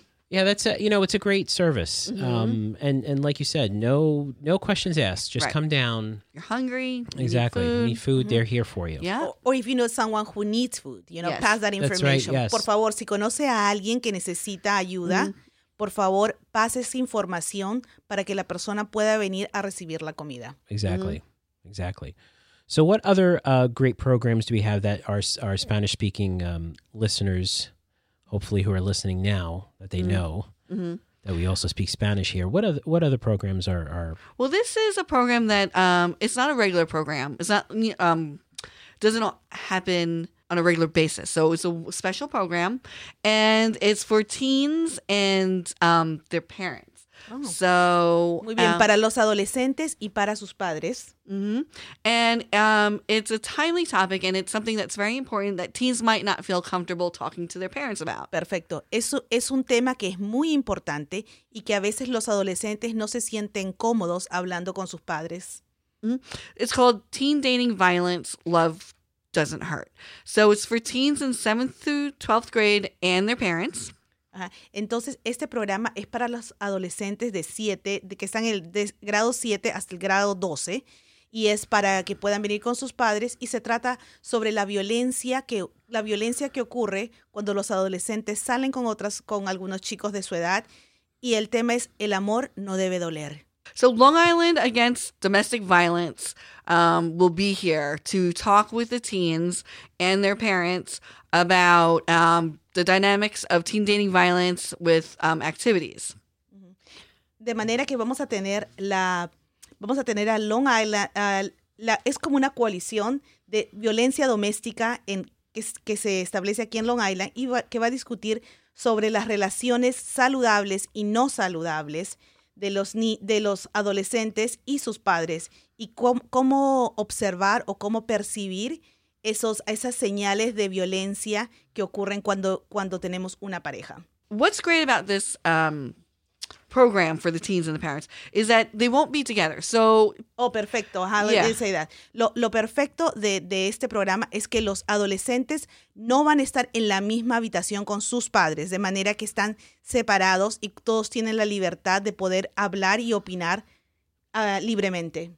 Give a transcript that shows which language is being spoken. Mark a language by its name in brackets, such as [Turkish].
[English] Yeah, that's it's a great service. Mm-hmm. And like you said, no questions asked. Just come down. You're hungry. Exactly. You need food. Mm-hmm. They're here for you. Yeah. Or if you know someone who needs food, pass that information. That's right, yes. [Spanish] Por favor, si conoce a alguien que necesita ayuda, por favor, pase esa información para que la persona pueda venir a recibir la comida. [English] Exactly. Mm-hmm. Exactly. So what other great programs do we have that our Spanish speaking listeners, hopefully, who are listening now that they know that we also speak Spanish here. What other programs are? Well, this is a program that it's not a regular program. It's not doesn't happen on a regular basis. So it's a special program, and it's for teens and their parents. Oh. So [Spanish] muy bien, para los adolescentes y para sus padres. Mm-hmm. [English] And it's a timely topic, and it's something that's very important that teens might not feel comfortable talking to their parents about. [Spanish] Perfecto. Eso es un tema que es muy importante y que a veces los adolescentes no se sienten cómodos hablando con sus padres. Mm-hmm. [English] It's called Teen Dating Violence, Love Doesn't Hurt. So it's for teens in 7th through 12th grade and their parents. [Spanish] Entonces, este programa es para los adolescentes de 7, de que están en el grado 7 hasta el grado 12, y es para que puedan venir con sus padres, y se trata sobre la violencia que ocurre cuando los adolescentes salen con algunos chicos de su edad, y el tema es el amor no debe doler. [English] So Long Island Against Domestic Violence will be here to talk with the teens and their parents about the dynamics of teen dating violence with activities. [Spanish] De manera que vamos a tener a Long Island, es como una coalición de violencia doméstica que se establece aquí en Long Island y que va a discutir sobre las relaciones saludables y no saludables de los adolescentes y sus padres y cómo observar o cómo percibir esos esas señales de violencia que ocurren cuando tenemos una pareja. [English] What's great about this program for the teens and the parents is that they won't be together. So, oh, perfecto. How did you say that? [Spanish] Lo perfecto de este programa es que los adolescentes no van a estar en la misma habitación con sus padres, de manera que están separados y todos tienen la libertad de poder hablar y opinar libremente.